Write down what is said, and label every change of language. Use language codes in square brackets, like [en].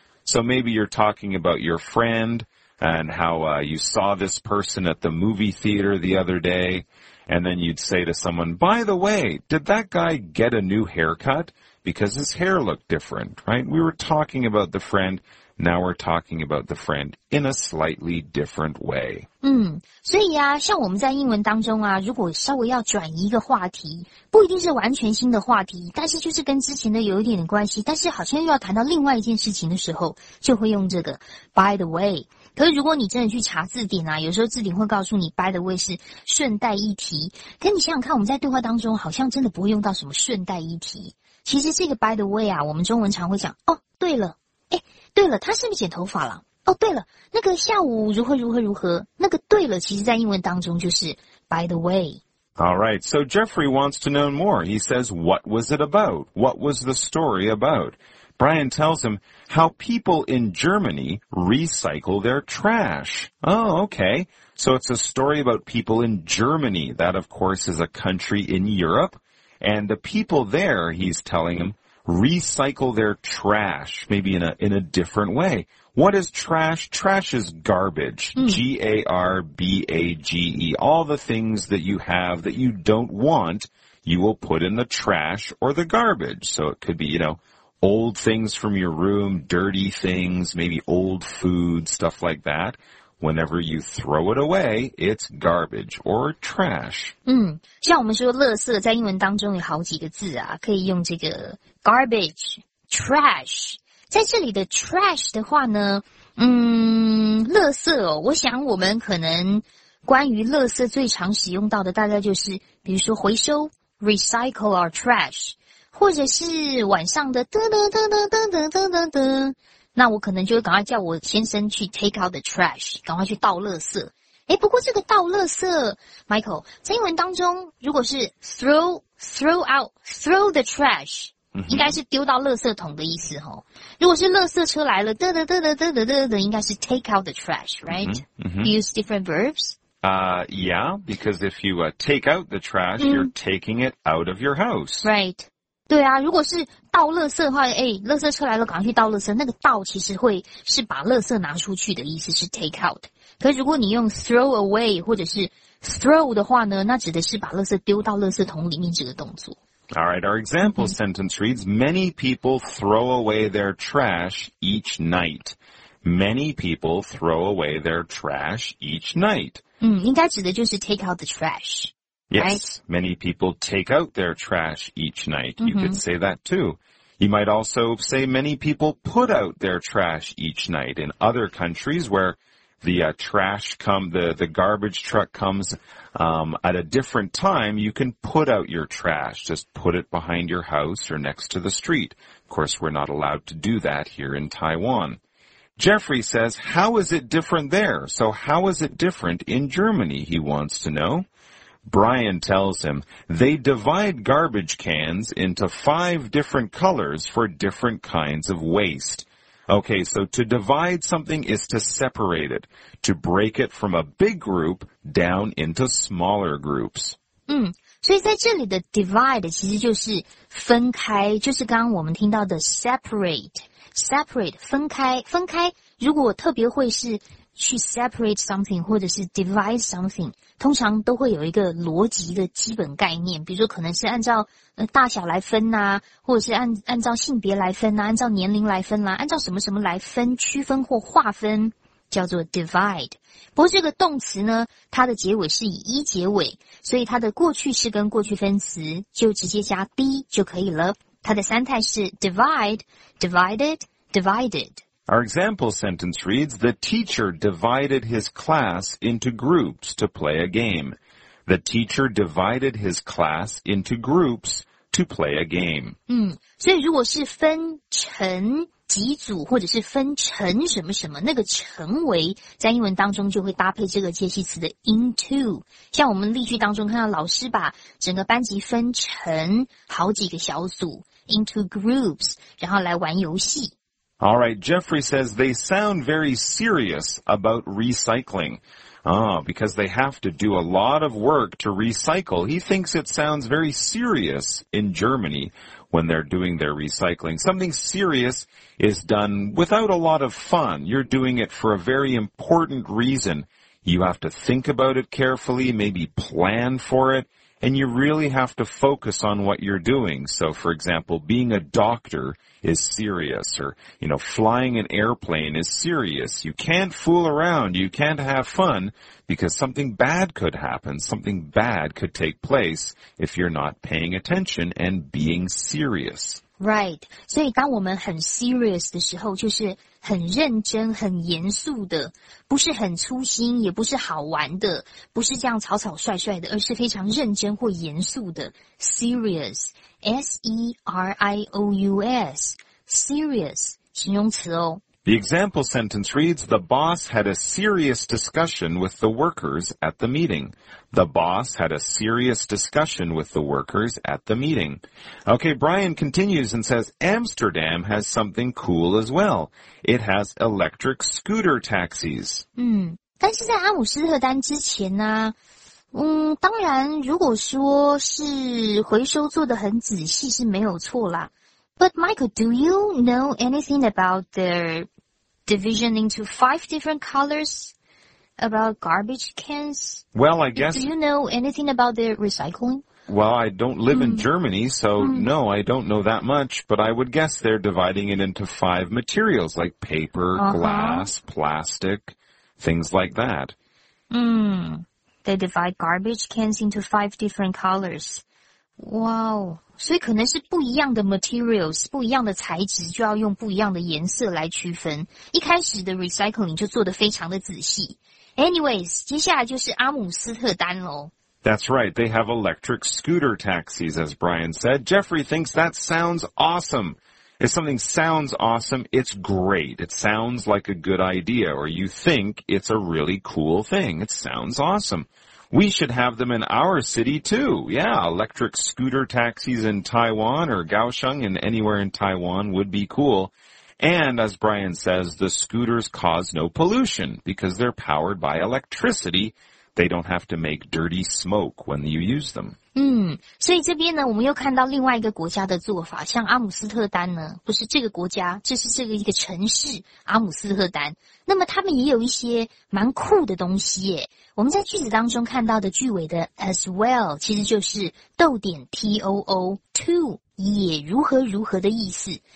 [en] So maybe you're talking about your friendand how, you saw this person at the movie theater the other day, and then you'd say to someone, by the way, did that guy get a new haircut? Because his hair looked different, right? We were talking about the friend, now we're talking about the friend in a slightly different way. [zh] 嗯，所以啊，像我们在英文当中啊，如果稍微要转移一个话题，不一定是完全新的话题，但是就是跟之前的有一点关系，但是好像又要谈到另外一件事情的时候，就会用这个 [en] by the way。 [zh] 可是如果你真的去查字典啊，有时候字典会告诉你 [en] by the way [zh] 是顺带一提。可你想想看，我们在对话当中好像真的不会用到什么顺带一提。其实这个 [en] by the way [zh] 啊，我们中文常会讲，哦对了，诶对了，他是不是剪头发了，哦对了，那个下午如何如何如何，那个对了其实在英文当中就是 by the way。 [en] Alright, so Jeffrey wants to know more. He says, what was it about? What was the story about? Brian tells him how people in Germany recycle their trash. Oh, okay. So it's a story about people in Germany. That, of course, is a country in Europe. And the people there, he's telling him, recycle their trash, maybe in a different way. What is trash? Trash is garbage. G-A-R-B-A-G-E. All the things that you have that you don't want, you will put in the trash or the garbage. So it could be, you know, old things from your room, dirty things, maybe old food, stuff like that. Whenever you throw it away, it's garbage or trash. [zh] 像我们说垃圾在英文当中有好几个字啊，可以用这个 garbage, trash。在这里的 trash 的话呢，垃圾哦，我想我们可能关于垃圾最常使用到的大概就是比如说回收 [en] recycle our trash， [zh] 或者是晚上的噔噔噔噔噔噔噔噔噔，那我可能就会赶快叫我先生去 [en] take out the trash， [zh] 赶快去倒垃圾。诶，不过这个倒垃圾 Michael 在英文当中如果是 [en] throw the trash， [zh] 应该是丢到垃圾桶的意思齁。如果是垃圾车来了噔噔噔噔噔噔噔噔，应该是 [en] take out the trash, right? Use different verbs? Yeah, because if you take out the trash, you're taking it out of your house. Right. [zh] 对啊，如果是倒垃圾的话，诶，垃圾车来了赶快去倒垃圾，那个倒其实会是把垃圾拿出去的意思，是 [en] take out。 [zh] 可是如果你用 [en] throw away [zh] 或者是 throw 的话呢，那指的是把垃圾丢到垃圾桶里面这个动作。 [en] All right, our example sentence reads, many people throw away their trash each night. Many people throw away their trash each night. [zh] 应该指的就是 [en] take out the trash. Yes, right? Many people take out their trash each night. You could say that too. You might also say many people put out their trash each night in other countries where the garbage truck comes, at a different time, you can put out your trash. Just put it behind your house or next to the street. Of course, we're not allowed to do that here in Taiwan. Jeffrey says, how is it different there? So how is it different in Germany? He wants to know. Brian tells him, they divide garbage cans into 5 different colors for different kinds of waste. Okay, so to divide something is to separate it, to break it from a big group down into smaller groups. [zh] 所以在这里的 divide 其实就是分开，就是刚刚我们听到的 separate, 分开，分开，如果特别会是去 [en] separate something [zh] 或者是 [en] divide something， [zh] 通常都会有一个逻辑的基本概念，比如说可能是按照大小来分啊，或者是按照性别来分啊，按照年龄来分啊，按照什么什么来分，区分或划分叫做 divide。不过这个动词呢，它的结尾是以一结尾，所以它的过去式跟过去分词就直接加 be 就可以了。它的三态是 divide, divided, divided。 [en] Our example sentence reads, the teacher divided his class into groups to play a game. The teacher divided his class into groups to play a game. [zh] 所以如果是分成几组或者是分成什么什么，那个成为在英文当中就会搭配这个介系词的 into。像我们例句当中看到老师把整个班级分成好几个小组 [en] into groups， [zh] 然后来玩游戏。 [en] All right, Jeffrey says they sound very serious about recycling. Ah, because they have to do a lot of work to recycle. He thinks it sounds very serious in Germany when they're doing their recycling. Something serious is done without a lot of fun. You're doing it for a very important reason. You have to think about it carefully, maybe plan for it, and you really have to focus on what you're doing. So, for example, being a doctor is serious, or, you know, flying an airplane is serious. You can't fool around. You can't have fun because something bad could happen. Something bad could take place if you're not paying attention and being serious. Right. [zh] 所以当我们很 serious 的时候，就是很认真很严肃的，不是很粗心，也不是好玩的，不是这样草草率率的，而是非常认真或严肃的 serious S-E-R-I-O-U-S serious 形容词哦。 [en] The example sentence reads, The boss had a serious discussion with the workers at the meeting. The boss had a serious discussion with the workers at the meeting. Okay, Brian continues and says, Amsterdam has something cool as well. It has electric scooter taxis. [zh] 但是在阿姆斯特丹之前呢、啊当然如果说是回收做得很仔细是没有错啦。 [en] But Michael, do you know anything about their division into five different colors about garbage cans? Well, I guess... Do you know anything about their recycling? Well, I don't live in Germany, so no, I don't know that much. But I would guess they're dividing it into five materials, like paper, glass, plastic, things like that. They divide garbage cans into five different colors. Wow. [zh] 所以可能是不一样的 materials, 不一样的材质就要用不一样的颜色来区分。一开始的 recycling 就做得非常的仔细。 [en] Anyways, [zh] 接下来就是阿姆斯特丹咯。 [en] That's right, they have electric scooter taxis, as Brian said. Jeffrey thinks that sounds awesome. If something sounds awesome, it's great. It sounds like a good idea, or you think it's a really cool thing. It sounds awesome. We should have them in our city, too. Yeah, electric scooter taxis in Taiwan or Kaohsiung and anywhere in Taiwan would be cool. And, as Brian says, the scooters cause no pollution because they're powered by electricity. They don't have to make dirty smoke when you use them. [zh] 所以这边呢，我们又看到另外一个国家的做法，像阿姆斯特丹呢，不是这个国家，这是这个一个城市，阿姆斯特丹。那么他们也有一些蛮酷的东西耶。我们在句子当中看到的句尾的 [en] as well [zh] 其实就是逗点 too to 也如何如何的意思。